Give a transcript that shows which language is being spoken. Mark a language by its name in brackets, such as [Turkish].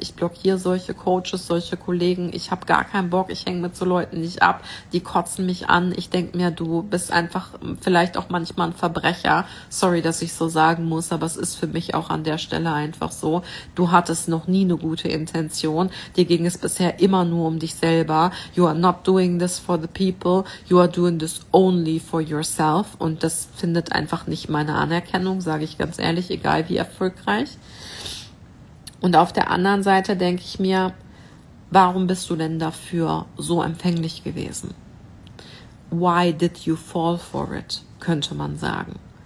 [German] Ich blockiere solche Coaches, solche Kollegen, ich habe gar keinen Bock, ich hänge mit so Leuten nicht ab, die kotzen mich an. Ich denke mir, du bist einfach vielleicht auch manchmal ein Verbrecher. Sorry, dass ich so sagen muss, aber es ist für mich auch an der Stelle einfach so. Du hattest noch nie eine gute Intention. Dir ging es bisher immer nur um dich selber. [English] You are not doing this for the people. You are doing this only for yourself. [German] Und das findet einfach nicht meine Anerkennung, sage ich ganz ehrlich, egal wie erfolgreich. Und auf der anderen Seite denke ich mir, warum bist du denn dafür so empfänglich gewesen? [English] Why did you fall for it, [German] könnte man sagen.